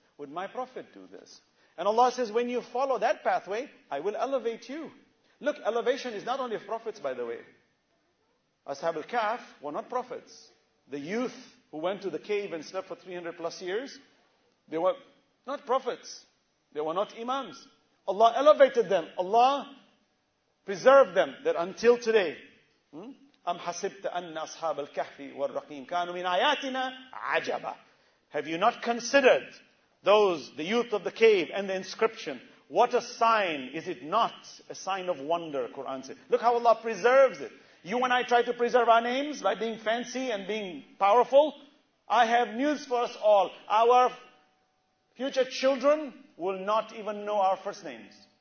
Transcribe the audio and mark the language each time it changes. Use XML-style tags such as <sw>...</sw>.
<en>Would my prophet do this? And Allah says, when you follow that pathway, I will elevate you. Look, elevation is not only of prophets, by the way. Ashab al-Kahf were not prophets. The youth who went to the cave and slept for 300 plus years, they were not prophets. They were not imams. Allah elevated them. Allah preserved them. That until today,</en> <ar>أَمْ حَسِبْتَ أَنَّ أَصْحَابَ الْكَهْفِ وَالرَّقِيمِ كَانُوا مِنْ آيَاتِنَا عَجَبًا.</ar> <en>Have you not considered those, the youth of the cave and the inscription? What a sign. Is it not a sign of wonder, Quran says. Look how Allah preserves it. You and I try to preserve our names by being fancy and being powerful. I have news for us all. Our future children will not even know our first names.</en>